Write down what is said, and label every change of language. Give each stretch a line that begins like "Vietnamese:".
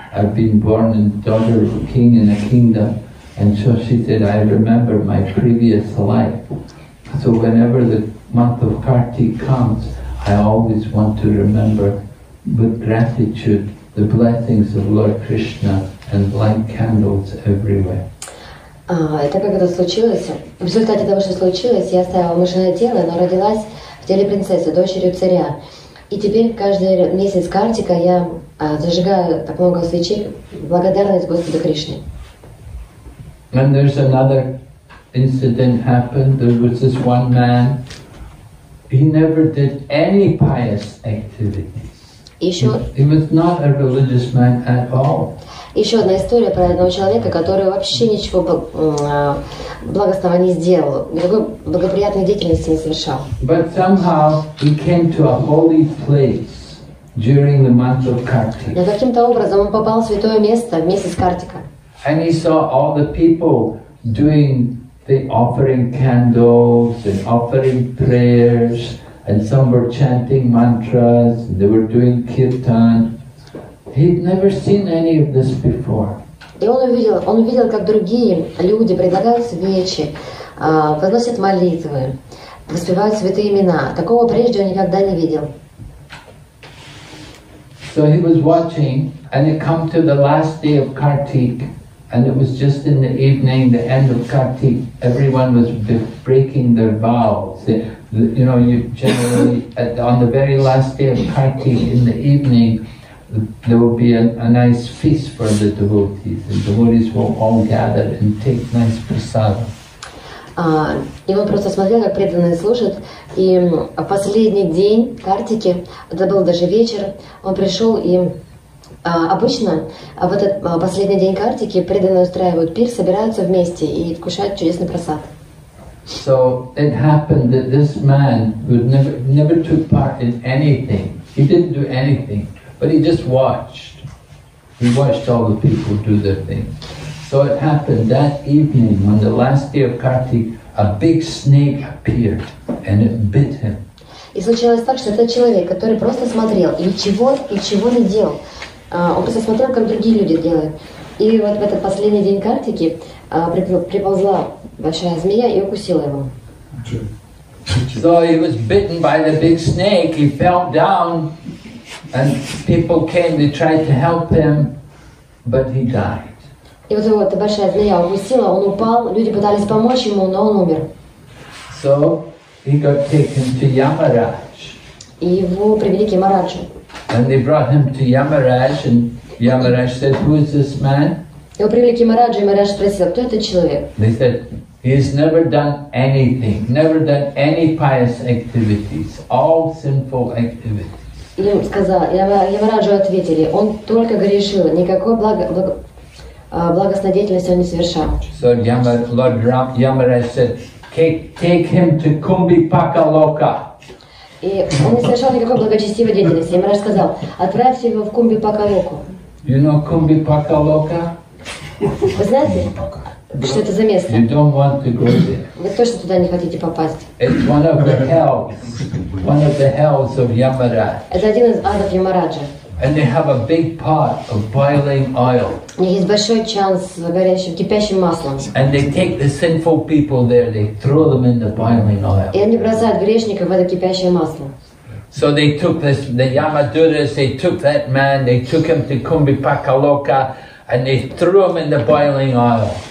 English: I've been born and daughter of a king in a kingdom. And so she said, I remember my previous life. So whenever the month of Kartik comes, I always want to remember with gratitude the blessings of Lord Krishna and light candles everywhere.
Russian: Так как это случилось, в результате того, что случилось, я оставила мышиное тело, но родилась в теле принцессы, дочерью царя. И теперь каждый месяц Картика я зажигаю так много свечей благодарность Господу Кришне.
English: And there's another incident happened. There was this one man. He never did any pious activities. He was not a religious man at all.
Russian: Еще одна история про одного человека, который вообще ничего благостного не сделал, никакой благоприятной деятельности не совершал.
English: But somehow he came to a holy place during the month of Kartik.
Russian: Но каким-то образом он попал в святое место в месяц Картика.
English: And he saw all the people doing the offering candles and offering prayers, and some were chanting mantras, and they were doing kirtan. He'd never seen any of this before.
Russian: И он увидел, как другие люди предлагают свечи, возносят молитвы, воспевают святые имена. Такого прежде он никогда не видел.
English: So he was watching, and it came to the last day of Kartik, and it was just in the evening, the end of Kartik. Everyone was breaking their vows. You know, you generally on the very last day of Kartik in the evening, there will be a nice feast for the devotees. The devotees will all gather and take nice prasada.
Russian: И он просто смотрел, как преданные служат. И в последний день Картики, это был даже вечер, он пришел и обычно в этот последний день Картики преданные устраивают пир, собираются вместе и вкушают чудесный прасад.
English: So it happened that this man would never took part in anything. He didn't do anything. But he just watched. He watched all the people do their thing. So it happened that evening, on the last day of Kartik, a big snake appeared and it bit him.
Russian: И случилось так, что этот человек, который просто смотрел и ничего не делал, он просто смотрел, как другие люди делают. И вот в этот последний день Картики приползла большая змея и укусила его.
English: So he was bitten by the big snake. He fell down. And people came, they tried to help him, but he died.
Russian: И вот эта большая змея укусила, он упал, люди пытались помочь ему, но он умер.
English: So he got taken to Yamaraj.
Russian: И его привели к Ямараджу.
English: And they brought him to Yamaraj, and Yamaraj said, "Who is this man?"
Russian: Его привели к Ямараджу, и Ямарадж спросил, кто этот человек?
English: They said, "He has never done anything, never done any pious activities, all sinful activities."
Russian: И он сказал, Ямараджу ответили, он только грешил, никакой благостной деятельности он не совершал.
English: So Lord Yamaraj said, take him to Kumbhipakaloka.
Russian: И он не совершал никакой благочестивой деятельности. Ямарадж сказал, отправьте его в Кумбхипакалоку.
English: You know Кумбхипакалока?
Russian: Вы знаете? Что это за место?
English: You don't want to go there.
Russian: Вы точно туда не хотите попасть?
English: It's one of the hells. One of the hells of Yamaraj.
Russian: Это один из адов Ямараджа.
English: And they have a big pot of boiling oil.
Russian: У них есть большой чан с горящим, кипящим маслом.
English: And they take the sinful people there, they throw them in the boiling oil.
Russian: И они бросают грешников в это кипящее масло.
English: So they took this, the Yamaduras, they took that man, they took him to Kumbhipakaloka, and they threw him in the boiling oil.